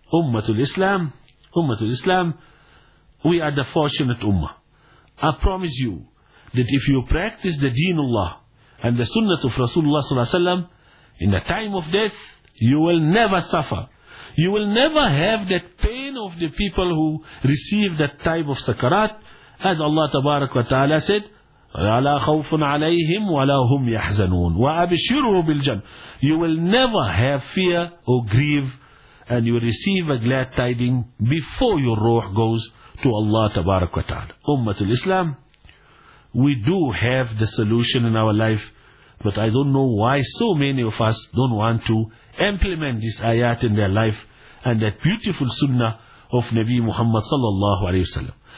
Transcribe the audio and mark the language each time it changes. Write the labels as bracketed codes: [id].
[en] Ummatul Islam, we are the fortunate ummah. I promise you that if you practice the deenullah and the sunnah of Rasulullah sallallahu alaihi wasallam, in the time of death, you will never suffer. You will never have that pain of the people who receive that type of sakarat. As Allah tabarak wa ta'ala said, [ar] وَلَا خَوْفٌ عَلَيْهِمْ وَلَا هُمْ يَحْزَنُونَ وَأَبِشِرُهُ بِالْجَنَّةِ. [en] You will never have fear or grieve, and you receive a glad tiding before your ruh goes to Allah tabarak wa ta'ala. Ummatul Islam, we do have the solution in our life, but I don't know why so many of us don't want to implement this ayat in their life and that beautiful sunnah of Nabi Muhammad sallallahu alayhi wasallam.